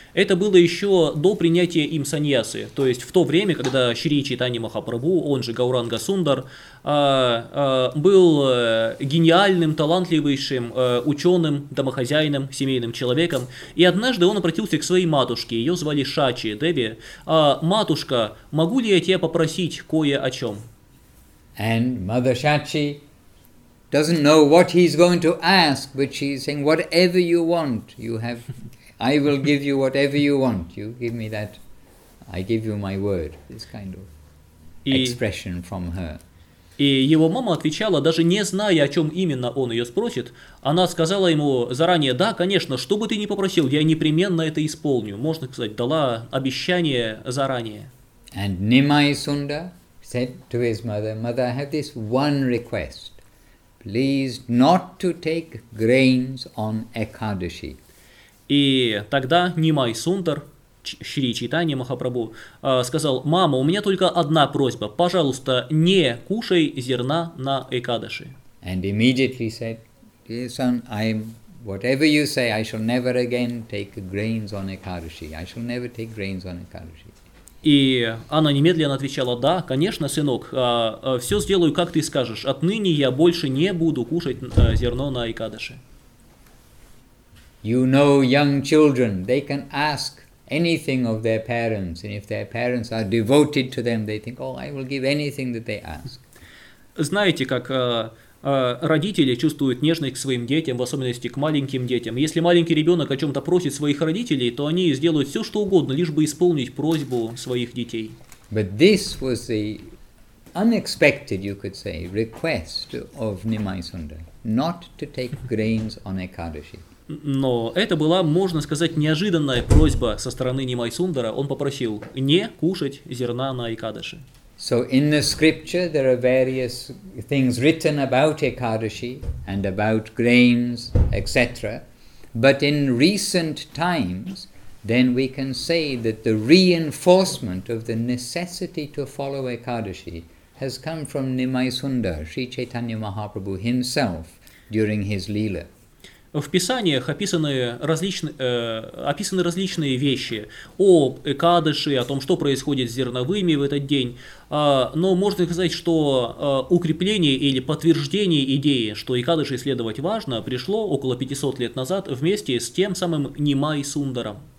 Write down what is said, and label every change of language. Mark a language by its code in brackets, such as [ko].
[ru] Это было еще до принятия им саньясы. То есть в то время, когда Шри Чайтанья Махапрабху, он же Гауранга Сундар, был гениальным, талантливейшим ученым, домохозяином, семейным человеком. И однажды он обратился к своей матушке. Ее звали Шачи Деви. Матушка, могу ли я тебя попросить кое о чем? [en] And Mother Shachi doesn't know what he's going to ask, but she's saying, whatever you want, I will give you whatever you want. You give me that, I give you my word. This kind of expression from her. [ru] И его мама отвечала, даже не зная, о чем именно он ее спросит, она сказала ему заранее, да, конечно, что бы ты ни попросил, я непременно это исполню. Можно сказать, дала обещание заранее. [en] And Nimai Sunda said to his mother, Mother, I have this one request. Please not to take grains on Ekadashi. [ru] И тогда Нимай Сундар, Шри Чайтанья Махапрабху, сказал, «Мама, у меня только одна просьба. Пожалуйста, не кушай зерна на Экадаши». [en] And immediately said, «Dear son, whatever you say, I shall never again take grains on Ekadashi. I shall never take grains on Ekadashi». [ru] И она немедленно отвечала, да, конечно, сынок, все сделаю, как ты скажешь. Отныне я больше не буду кушать зерно на Экадаши. [en] You know young children, they can ask anything of their parents, and if their parents are devoted to them, they think, oh, I will give anything that they ask. [ru] знаете, как родители чувствуют нежность к своим детям, в особенности к маленьким детям. Если маленький ребенок о чем-то просит своих родителей, то они сделают все, что угодно, лишь бы исполнить просьбу своих детей. [en] But this was the unexpected, you could say, request of Nimaisunda, not to take grains on Ekadashi. [ru] Но это была, можно сказать, неожиданная просьба со стороны Нимайсундара. Он попросил не кушать зерна на Экадаши. [en] So in the scripture there are various things written about Ekadashi and about grains, etc. But in recent times, then we can say that the reinforcement of the necessity to follow Ekadashi has come from Nimaisundara, Sri Chaitanya Mahaprabhu himself, during his leela. [ru] В писаниях описаны различные вещи о Экадаши, о том, что происходит с зерновыми в этот день. Но можно сказать, что укрепление или подтверждение идеи, что Экадаши следовать важно, пришло около 500 лет назад вместе с тем самым Нимайсундаром.